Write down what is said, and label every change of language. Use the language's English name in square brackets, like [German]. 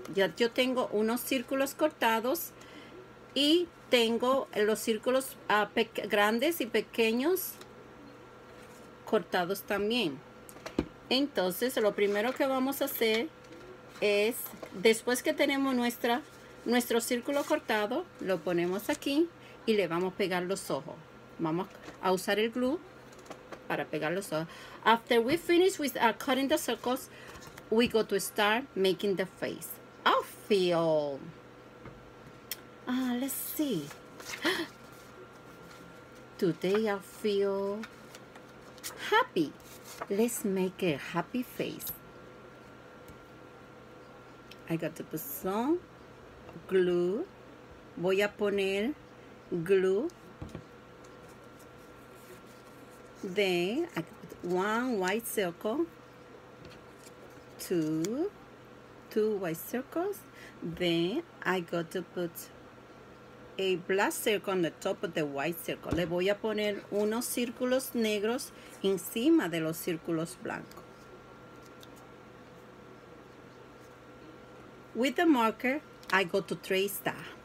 [Spanish] Ya yo tengo unos círculos cortados y tengo los círculos grandes y pequeños cortados también. Entonces, lo primero que vamos a hacer es, después que tenemos nuestro círculo cortado, lo ponemos aquí y le vamos a pegar los ojos. Vamos a usar el glue para pegar los ojos. [English] After we finish with cutting the circles, we go to start making the face. I feel. Let's see. Today I feel happy. Let's make a happy face. I got to put some glue. [Spanish] Voy a poner glue. [English] Then I put one white circle. Two white circles. Then I got to put a black circle on the top of the white circle. [Spanish] Le voy a poner unos círculos negros encima de los círculos blancos. [English] With the marker, I go to trace that.